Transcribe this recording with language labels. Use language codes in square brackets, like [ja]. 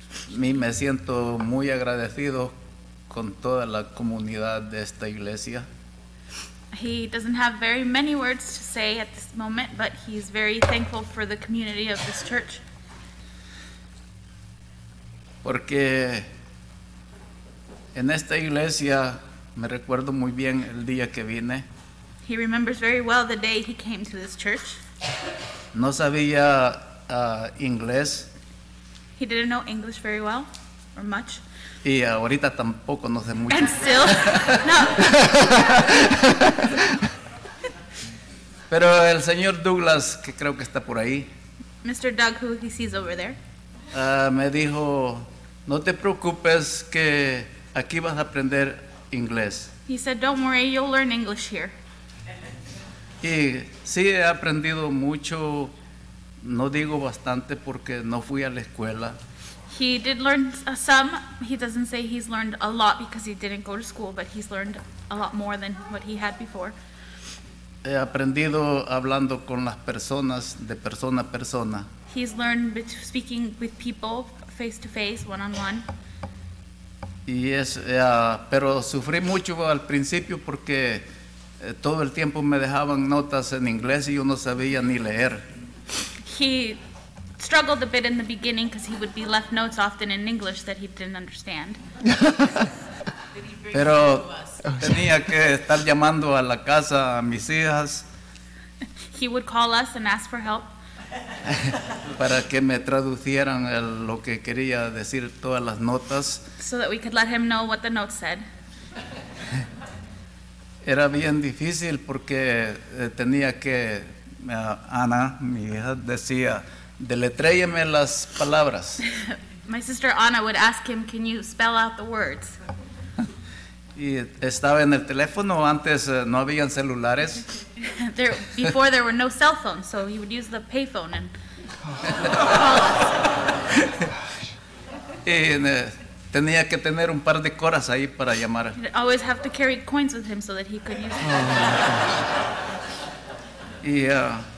[es] Me siento muy agradecido con toda la comunidad de esta iglesia. [en] He doesn't have very many words to say at this moment, but he's very thankful for the community of this church. [es] Porque en esta iglesia me recuerdo muy bien el día que vine. [en] He remembers very well the day he came to this church. [es] No sabía inglés. [en] He didn't know English very well, or much. [es] Y ahorita tampoco no sé mucho. [en] And still, no. [es] Pero el señor Douglas, que creo que está por ahí. [en] Mr. Doug, who he sees over there. [es] Me dijo, no te preocupes que aquí vas a aprender inglés. [en] He said, don't worry, you'll learn English here. [es] Y sí, he aprendido mucho, no digo bastante porque no fui a la escuela. [en] He did learn some. He doesn't say he's learned a lot because he didn't go to school, but he's learned a lot more than what he had before. [es] He aprendido hablando con las personas de persona a persona. [en] He's learned speaking with people face to face, one on one. [es] Yes, pero sufrí mucho al principio porque todo el tiempo me dejaban notas en inglés y yo no sabía ni leer. [en] He struggled a bit in the beginning because he would be left notes often in English that he didn't understand. [es] Pero tenía que estar llamando a la casa a mis hijas. [en] He would call us and ask for help. [es] Para que me traducieran lo que quería decir todas las notas. [en] So that we could let him know what the notes said. [es] Era bien difícil porque tenía que, Ana, mi hija, decía, deletréeme las palabras. [en] My sister Ana would ask him, can you spell out the words? [es] Y estaba en el teléfono, antes no habían celulares. [en] Before there were no cell phones, so he would use the payphone and [es] tenía que tener un par de coras ahí para llamar. [en] He'd always have to carry coins with him so that he could use them.